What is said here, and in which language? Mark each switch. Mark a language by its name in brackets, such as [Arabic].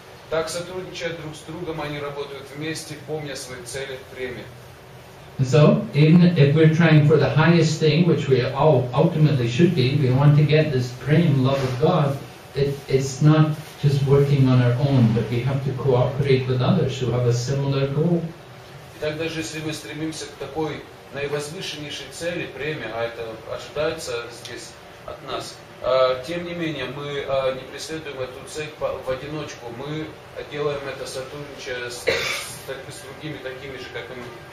[Russian] Так, сотрудничая друг с другом, они работают вместе, помня свои цели в племени. [English] So, even if we're trying for the highest thing, which we all ultimately should be, we want to get this prem, love of God, it's not just working on our own, but we have to cooperate with others who have a similar goal. [Russian] Итак, даже если мы стремимся к такой наивозвышеннейшей цели, премия, а это ожидается здесь от нас, тем не менее, мы не преследуем эту цель в одиночку, мы делаем это сотрудничая с другими, такими же, как и мы.